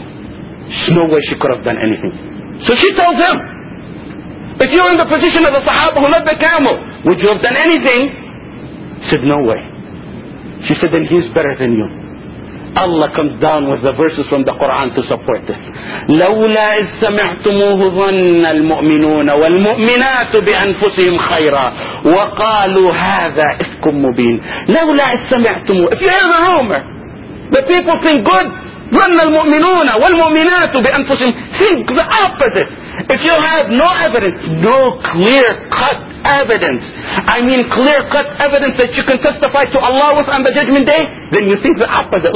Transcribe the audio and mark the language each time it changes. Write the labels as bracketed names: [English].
[English] There's no way she could have done anything. So she tells him, if you were in the position of the Sahaba who led the camel, would you have done anything? He said, no way. She said, then he's better than you. Allah comes down with the verses from the Quran to support this. [Arabic] لولا إذ سمعتموه ظن المؤمنون والمؤمنات بأنفسهم خيرا وقالوا هذا إفك مبين. لولا إذ سمعتموه. [English] If you hear the rumor, the people think good, [Arabic] وَنَّ الْمُؤْمِنُونَ وَالْمُؤْمِنَاتُ بِأَنفُسِهِمْ. [English] Think the opposite. If you have no evidence, no clear-cut evidence, I mean clear-cut evidence that you can testify to Allah with on the judgment day, then you think the opposite.